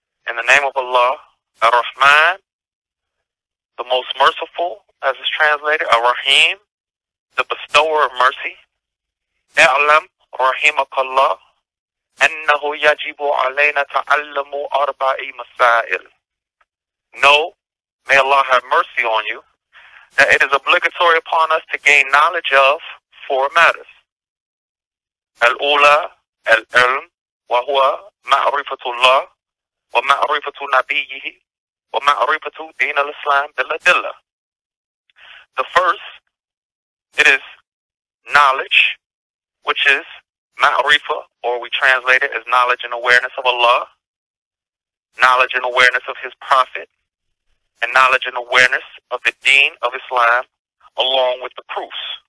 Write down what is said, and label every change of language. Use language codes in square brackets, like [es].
[en] In the name of Allah, ar-Rahman, the most merciful, as is translated, ar-Rahim, the bestower of mercy, i'lam, [ar] رحمك الله أنه يجب علينا تعلم أربع مسائل. [en] Know, may Allah have mercy on you, that it is obligatory upon us to gain knowledge of four matters. [ar] الأولى العلم وهو معرفة الله ومعرفة نبيه ومعرفة دين الإسلام بالأدلة. [en] The first, it is knowledge, which is Ma'rifa, or we translate it as knowledge and awareness of Allah, knowledge and awareness of His Prophet, and knowledge and awareness of the Deen of Islam, along with the proofs.